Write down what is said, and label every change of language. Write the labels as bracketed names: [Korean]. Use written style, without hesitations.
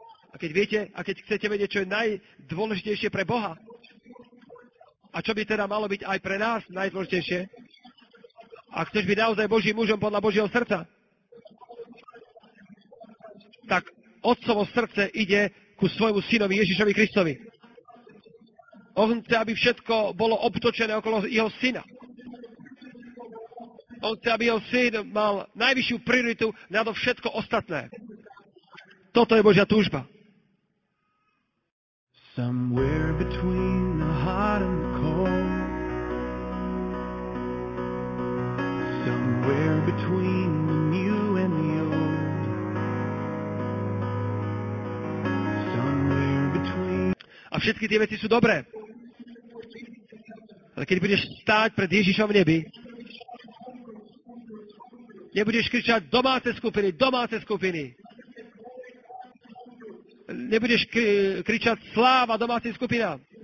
[Slovak] A keď viete, a keď chcete vedieť, čo je najdôležitejšie pre Boha, a čo by teda malo byť aj pre nás najdôležitejšie, a chceš byť naozaj Božím mužom podľa Božieho srdca, tak otcovo srdce ide ku svojmu synovi Ježišovi Kristovi. On chce, aby všetko bolo obtočené okolo jeho syna. On chce, aby jeho syn mal najvyššiu prioritu nad všetko ostatné. Toto je Božia túžba. [English] Somewhere between the hot and the cold, somewhere between the new and the old, somewhere between... [Slovak] A všetky tie veci sú dobré. Ale keď budeš stáť pred Ježišom v nebi, nebudeš kričať domáce skupiny, domáce skupiny. Nebudeš kričať sláva domácim skupinám.